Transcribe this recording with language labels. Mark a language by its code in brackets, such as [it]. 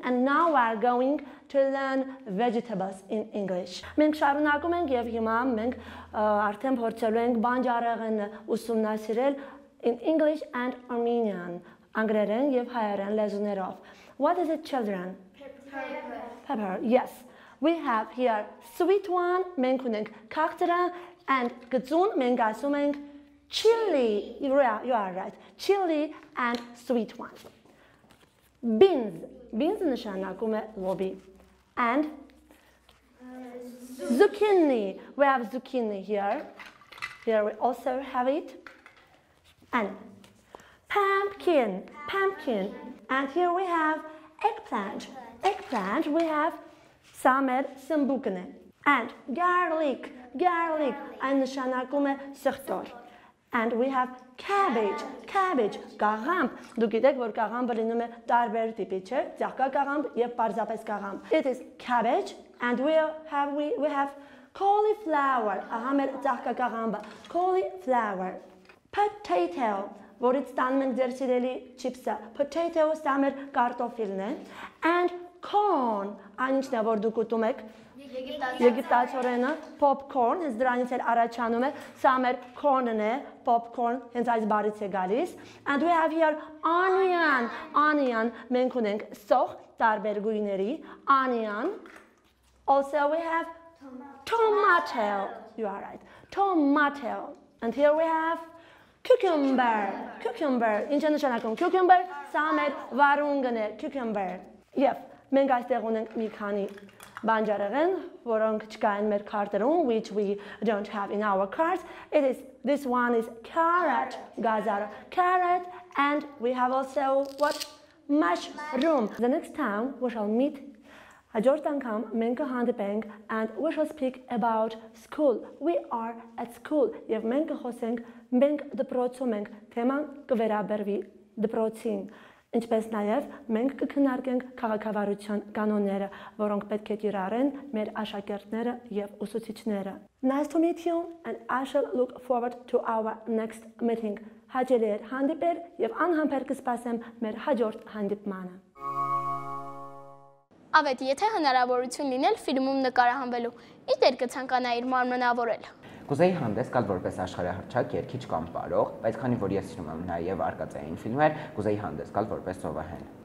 [en] And now we are going to learn vegetables in English. [hy] Մենք շարունակում ենք եւ հիմա մենք արդեն փորձելու ենք բանջարեղենը ուսումնասիրել [en] in English and Armenian. [hy] Անգլերեն եւ հայերեն լեզուներով. [en] What is it, children? Pepper. Pepper. Yes. We have here sweet one. [hy] Մենք ունենք քաղցրը. [en] And [hy] գծուն մենք ասում ենք [en] chili. You are right. Chili and sweet ones. Beans. [hy] Beans նշանակում է լոբի. [en] And zucchini. We have zucchini here. Here we also have it. And pumpkin. Pumpkin. And here we have eggplant. Eggplant. We have [hy] սամեր սմբուկն է. [en] And garlic. Garlic, [hy] այն նշանակում է սխտոր. [en] And we have cabbage. [hy] Cabbage, կաղամբ. Դու գիտեք, որ կաղամբը լինում է տարբեր տիպի, չէ՞, ձաղկա կաղամբ եւ պարզապես կաղամբ. [en] It is cabbage and we have cauliflower. [hy] Ահա մեր ձաղկա կաղամբը, cauliflower. Potato, որից ստանում ենք ձեր սիրելի չիպսը. Potato-ը սա մեր կարտոֆիլն է. [en] And corn, [hy] այն ինչն է, որ դուք ուտում եք? Եգիպտացորենը popcorn, հենց դրանից էլ առաջանում է, սա մեր corn-ն է, popcorn, հենց այս բառից է գալիս. [en] And we have here onion. Onion, [hy] մենք ունենք սող տարբեր գույների, [en] onion. Also we have tomato. You are right. Tomato. And here we have cucumber. [hy] Cucumber, ինչ նշանակում cucumber, սա մեր վարունգն է, cucumber. Եվ մենք այստեղ ունենք մի քանի բանջարեղեն, որոնք չկային մեր քարտերում, [en] which we don't have in our cards. It is, this one is carrot, gazar. Carrot, and we have also what? Mushroom. The next time we shall meet, [hy] հաջորդ անգամ մենք կհանդիպենք, [en] and we shall speak about school. We are at school. [hy] Եվ մենք կխոսենք, մենք դպրոցում ենք, թեման կվերաբերվի դպրոցին. Ինչպես նաև մենք կքննարկենք քաղաքավարության կանոնները, որոնք պետք է կիրառեն մեր աշակերտները եւ ուսուցիչները. [en] Nice to meet you and I shall look forward to our next meeting. [hy] Հաջորդ հանդիպել եւ անհամբեր կսպասեմ մեր հաջորդ հանդիպմանը։ Ավետ, եթե հնարավորություն լինել ֆիլմում նկարահանվելու, ի՞նչ դեր կցանկանայիր մարմնավորել։ Կուզեի հանդես գալ որպես աշխարհահռչակ, երգիչ կամ պարող, բայց քանի որ ես սիրում եմ նաև արկածային ֆիլմեր, կուզեի հանդես գալ որպես սովահեն։